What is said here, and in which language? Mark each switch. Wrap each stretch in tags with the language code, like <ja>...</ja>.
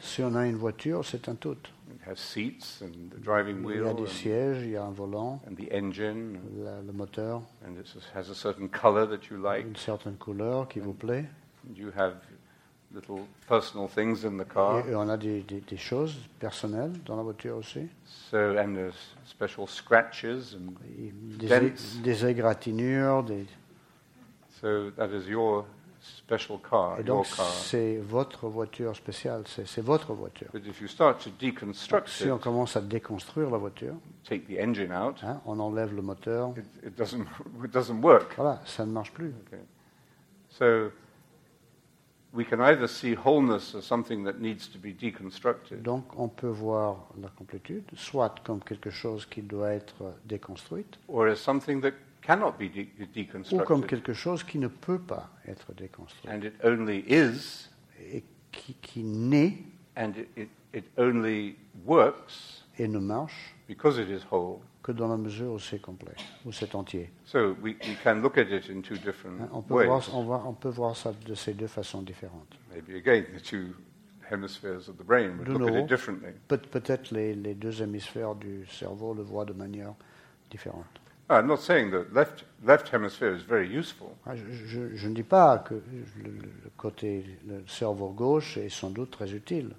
<fr>Si on a une voiture, c'est un tout.</fr> <en>Has seats and the driving wheel.</en> <fr>Il y a des sièges, il y a un volant.</fr> <en>And the engine.</en> <fr>Le moteur.</fr> <en>And it has a certain color that you like.</en> <fr>Une certaine couleur qui vous plaît.</fr> <en>And you have little personal things in the car.</en> <fr>Et on a des choses personnelles dans la voiture aussi.</fr> <en>So and there's special scratches and dents.</en> <fr>Des égratignures. Des.</fr> <en>So that is your special car.</en> <fr>Et donc,</fr> <en>your car.</en> <fr>C'est votre voiture spéciale, c'est votre voiture.</fr> <en>But if you start to deconstruct</en> <fr>si on commence à déconstruire la voiture,</fr> <en>take the engine out,</en> <fr>hein, on enlève le moteur,</fr> <en>it doesn't work.</en> <fr>Voilà, ça ne marche plus.</fr> <en>Okay. So, we can either see wholeness as something that needs to be deconstructed.</en> <fr>Donc on peut voir la complétude soit comme quelque chose qui doit être déconstruite,</fr> <en>or as something that cannot be deconstructed.</en> <fr>Ou comme quelque chose qui ne peut pas être déconstruit.</fr> <en>And it only is,</en> <fr>et qui naît,</fr> <en>and it only works,</en> <fr>et ne marche,</fr> <en>because it is whole,</en> <fr>que dans la mesure où c'est complet, où c'est entier.</fr> <en>So we can look at it in two different</en> <fr>On peut voir ça de ces deux façons différentes.</fr> <en>Maybe again the two hemispheres of the brain would</en> <fr>de nouveau,</fr> <en>look at it differently.</en> <fr>Peut-être les deux hémisphères du cerveau le voient de manière différente.</fr> <en>Ah, I'm not saying the left hemisphere is very useful.</en> <fr>Je ne dis pas que le côté le cerveau gauche est sans doute très utile.</fr>